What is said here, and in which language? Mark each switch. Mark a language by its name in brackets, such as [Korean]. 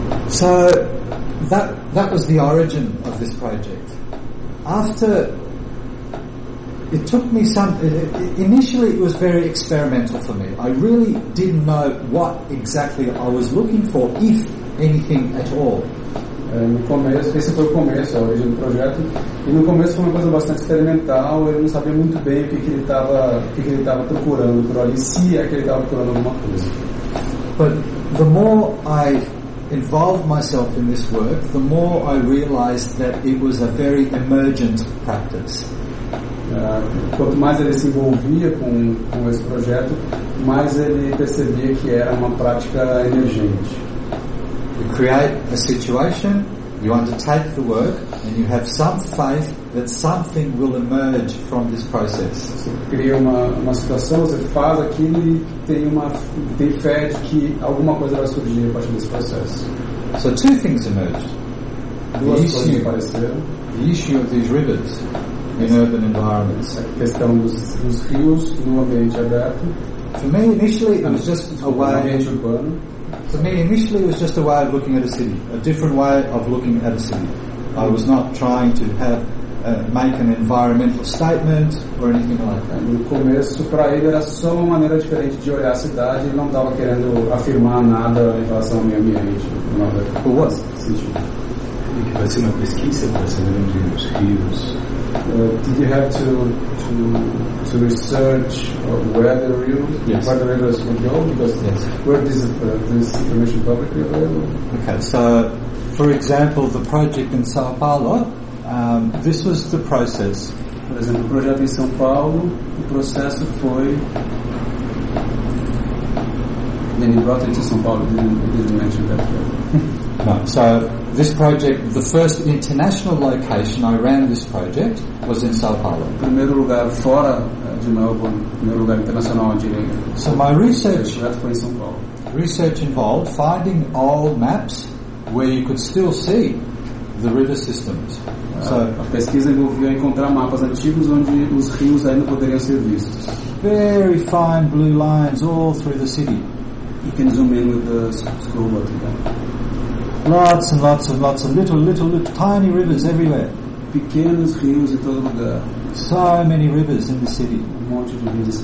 [English] So that was the origin of this project. Initially it was very experimental for me. I really didn't know what exactly I was looking for, if anything at all. [Portuguese] No começo, esse foi o começo, a origem do projeto. E no começo foi uma coisa bastante experimental. Ele não sabia muito bem o que ele estava procurando por ali, se é que ele estava procurando alguma coisa. [English] But the more I involved myself in this work, the more I realized that it was a very emergent practice. [Portuguese] Quanto mais ele se envolvia com esse projeto, mais ele percebia que era uma prática emergente. [English] You create a situation, you undertake the work, and you have some faith that something will emerge from this process. [Portuguese] Você cria uma situação, você faz aquilo e tem fé de que alguma coisa vai surgir a partir desse processo. [English] So two things emerged. The issue of these rivers in urban environments. [Portuguese] A questão dos rios no ambiente aberto. [English] For me, initially, it was just a way. For me, initially, it was just a way of looking at a city, a different way of looking at a city. I was not trying to make an environmental statement or anything like that. [Portuguese] No começo, para ele, era só uma maneira diferente de olhar a cidade. Ele não estava querendo afirmar nada em relação ao meio ambiente. [English] Who was? [Portuguese] Que vai ser uma pesquisa para saber onde os rios. [English] Did you have to research where the rivers would go? Because yes. Where is this information publicly available? Okay, so for example, the project in São Paulo, this was the process. [Portuguese] Por exemplo, o projeto em São Paulo, o processo foi. [English] Then you brought it to São Paulo. Didn't mention that. No, so this project, the first international location I ran this project was in Sao Paulo. [Portuguese] Primeiro lugar fora de Melbourne, primeiro lugar internacional onde ele. [English] So my research, [Portuguese] foi em São Paulo. [English] Research involved finding old maps where you could still see the river systems. [Portuguese] So a pesquisa envolvia encontrar mapas antigos onde os rios ainda poderiam ser vistos. [English] Very fine blue lines all through the city. You can zoom in with the scroll button. Lots and lots and lots of little tiny rivers everywhere. [Portuguese] Pequenos rios em todo lugar. [English] So many rivers in the city. [Portuguese] Um monte de rios.